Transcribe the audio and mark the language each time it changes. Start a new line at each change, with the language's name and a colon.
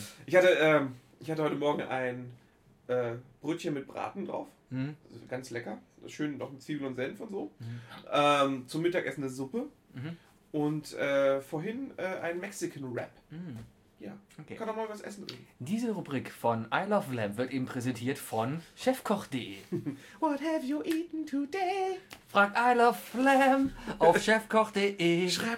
German: Ich hatte heute Morgen ein Brötchen mit Braten drauf. Mhm. Ganz lecker. Schön noch mit Zwiebeln und Senf und so. Mhm. Zum Mittagessen eine Suppe. Mhm. Und vorhin ein Mexican Wrap. Mhm. Ja, okay. Kann doch mal was essen. Diese Rubrik von I Love Lamb wird eben präsentiert von chefkoch.de.
English: What have you eaten today?
German: Fragt I Love Lamb auf chefkoch.de.